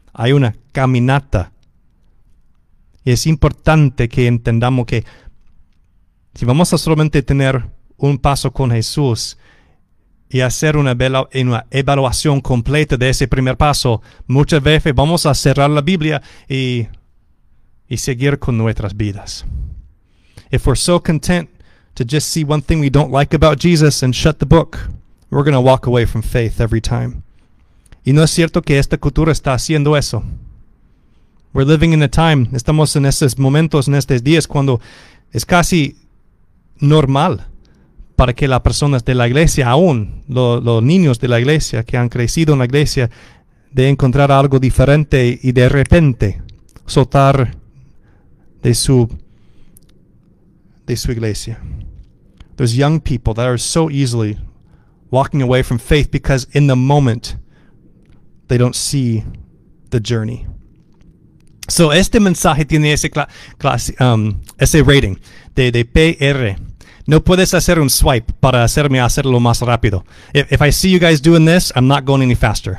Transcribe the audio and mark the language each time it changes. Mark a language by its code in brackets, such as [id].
[es] Hay una caminata. Y es importante que entendamos que si vamos a solamente tener un paso con Jesús y hacer una evaluación completa de ese primer paso, muchas veces vamos a cerrar la Biblia y seguir con nuestras vidas. [en] If we're so content to just see one thing we don't like about Jesus and shut the book, we're going to walk away from faith every time. [es] Y no es cierto que esta cultura está haciendo eso. [en] We're living in a time, [es] estamos en estos momentos, en estos días, cuando es casi normal para que las personas de la iglesia, aún los niños de la iglesia que han crecido en la iglesia, de encontrar algo diferente y de repente soltar de su iglesia. [en] There's young people that are so easily walking away from faith because in the moment they don't see the journey. [es] So este mensaje tiene ese ese rating de PR. No puedes hacer un swipe para hacerme hacerlo más rápido. [en] If I see you guys doing this, I'm not going any faster.